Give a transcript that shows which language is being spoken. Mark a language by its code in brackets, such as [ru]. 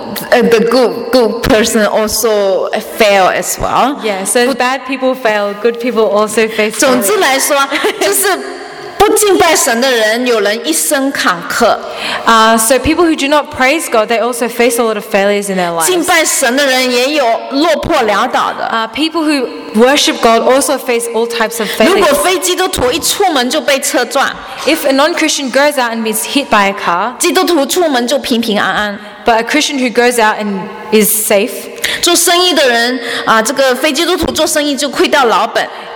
[en] The good person also fail as well. Yeah, so bad people fail, good people also fail. [zh] 总之来说，就是不敬拜神的人，有人一生坎坷。 [en] So people who do not praise God, they also face a lot of failures in their lives. [zh] 敬拜神的人也有落魄潦倒的。 [en] People who worship God also face all types of failures. [zh] 如果非基督徒一出门就被车撞。 [en] If a non-Christian goes out and is hit by a car, [zh] 基督徒出门就平平安安。 [en] But a Christian who goes out and is safe. [zh] 做生意的人啊，这个非基督徒做生意就亏掉老本。